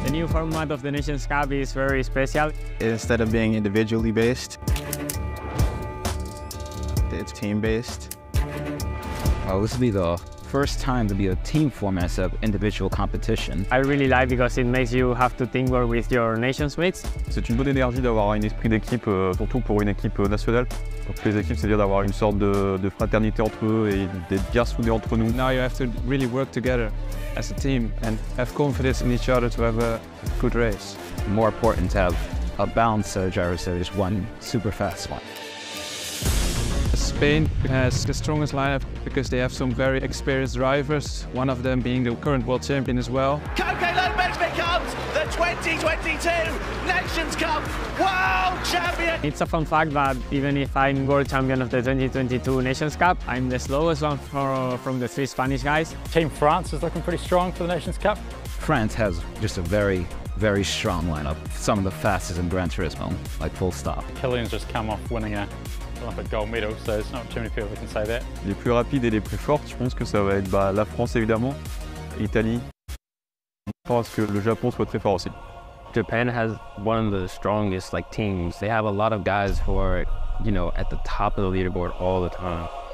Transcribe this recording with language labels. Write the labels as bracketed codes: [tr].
[en] The format of the Nations Cup is very special. Instead of being individually based, it's team-based. Well, this will be the first time to be a team format of individual competition. I really like because it makes you have to think well with your nation's mates. [fr] C'est une bonne énergie d'avoir un esprit d'équipe, surtout pour une équipe nationale. Pour les équipes, c'est bien d'avoir une sorte de fraternité entre eux et d'être bien soudés entre nous. [en] Now you have to really work together as a team and have confidence in each other to have a good race. More important to have a balanced gyro series, one super fast one. Spain has the strongest lineup because they have some very experienced drivers, one of them being the current world champion as well. Coque López becomes the 2022 Nations Cup World Champion! It's a fun fact that even if I'm world champion of the 2022 Nations Cup, I'm the slowest one from the three Spanish guys. Team France is looking pretty strong for the Nations Cup. France has just a very, very strong lineup. Some of the fastest in Gran Turismo, like full stop. Kylian's just come off winning a gold medal, so there's not too many people who can say that. [fr] Les plus rapides et les plus fortes, je pense que ça va être bah, la France évidemment, Italie. Je pense que le Japon soit très fort aussi. [en] Japan has one of the strongest like teams. They have a lot of guys who are, you know, at the top of the leaderboard all the time.